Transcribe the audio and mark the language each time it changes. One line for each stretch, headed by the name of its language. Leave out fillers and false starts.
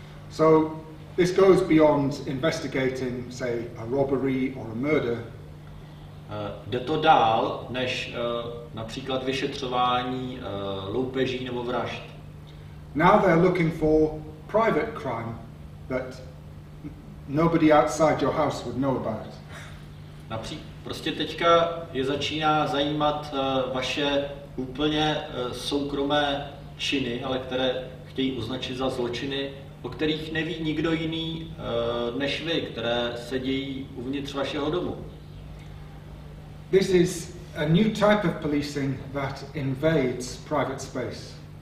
English: So this goes beyond investigating, say, a robbery or a murder.
Czech: Jde to dál, než například vyšetřování loupeží nebo vražd.
English: Now they're looking for private crime that nobody outside your house would know about.
Czech: Například Prostě teďka je začíná zajímat vaše úplně soukromé činy, ale které chtějí označit za zločiny, o kterých neví nikdo jiný než vy, které se dějí uvnitř vašeho domu.
English: This is a new type of policing that invades private space.